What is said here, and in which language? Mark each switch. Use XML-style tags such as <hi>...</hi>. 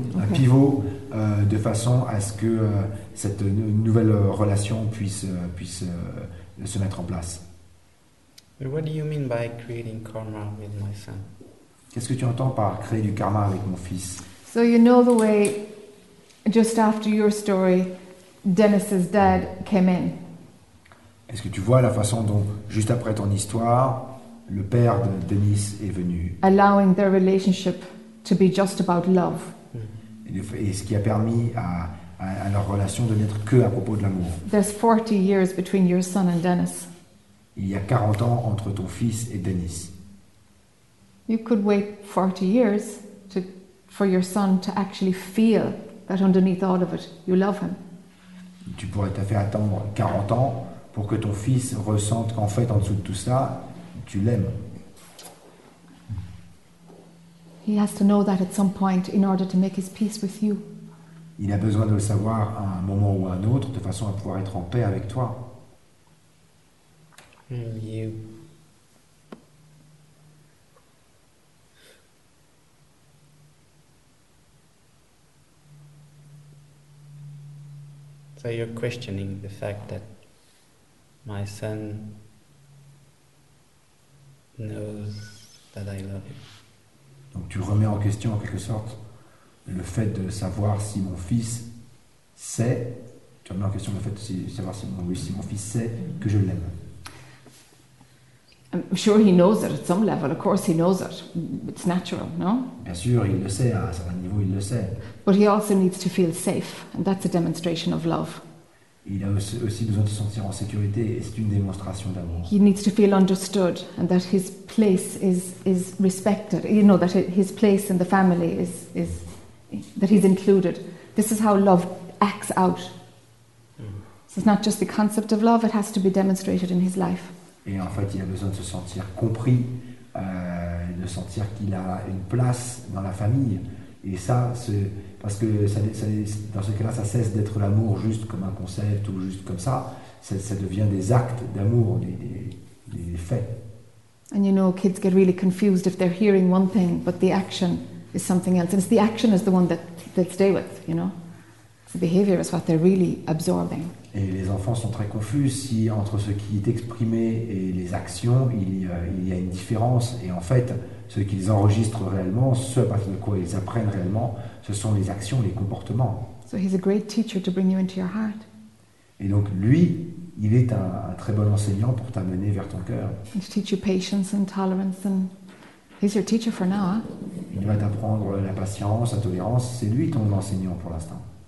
<en>Okay.</en> <fr>Un pivot de façon à ce que cette nouvelle relation puisse se mettre en place.</fr> <en>But what do you mean by creating karma with my son?</en> <fr>Qu'est-ce que tu entends par créer du karma avec mon fils?</fr> <en>So you know the way, just after your story, Dennis's dad came in.</en> <fr>Est-ce que tu vois la façon dont, juste après ton histoire, le père de Denis est venu.</fr> <en>Allowing their relationship to be just about love.</en> <fr>Et ce qui a permis à leur relation de n'être que à propos de l'amour.</fr> <en>There's 40 years between your son and Dennis.</en> <fr>Il y a 40 ans entre ton fils et Denis.</fr> <en>You could wait 40 years for your son to actually feel that underneath all of it, you love him.</en> <fr>Tu pourrais t'en faire attendre 40 ans pour que ton fils ressente qu'en fait, en dessous de tout ça, tu l'aimes.</fr> <en>He has to know that at some point in order to make his peace with you.</en> <fr>Il a besoin de le savoir à un moment ou à un autre de façon à pouvoir être en paix avec toi.</fr> <en>So you're questioning the fact that my son knows that I love him.</en> <fr>Donc tu remets en question en quelque sorte le fait de savoir si mon fils sait. Tu remets en question le fait de savoir si mon fils sait que je l'aime.</fr> <en>I'm sure he knows it at some level. Of course he knows it. It's natural, no?</en> <fr>Bien sûr, il le sait, à un certain niveau, il le sait.</fr> <en>But he also needs to feel safe, and that's a demonstration of love.</en> <fr>Il a aussi besoin de se sentir en sécurité, et c'est une démonstration d'amour.</fr> <en>He needs to feel understood, and that his place is respected. You know, that his place in the family is that he's included. This is how love acts out. Mm. So it's not just the concept of love, it has to be demonstrated in his life.</en> <fr>Et en fait, il a besoin de se sentir compris, de sentir qu'il a une place dans la famille. Et ça, c'est parce que ça, dans ce cas-là, ça cesse d'être l'amour juste comme un concept ou juste comme ça. Ça devient des actes d'amour, des faits.</fr> <en>And you know, kids get really confused if they're hearing one thing, but the action is something else. And it's the action is the one that they stay with, you know. The behavior is what they're really absorbing.</en> <fr>Et les enfants sont très confus si entre ce qui est exprimé et les actions, il y a une différence. Et en fait, ce qu'ils enregistrent réellement, ce à partir de quoi ils apprennent réellement, ce sont les actions, les comportements.</fr> <en>So he's a great teacher to bring you into your heart.</en> <fr>Et donc lui, il est un très bon enseignant pour t'amener vers ton cœur.</fr> <en>He'll teach you patience and tolerance and he's your teacher for now. Huh?</en> <fr>Il va t'apprendre la patience, la tolérance, c'est lui ton enseignant pour l'instant.</fr>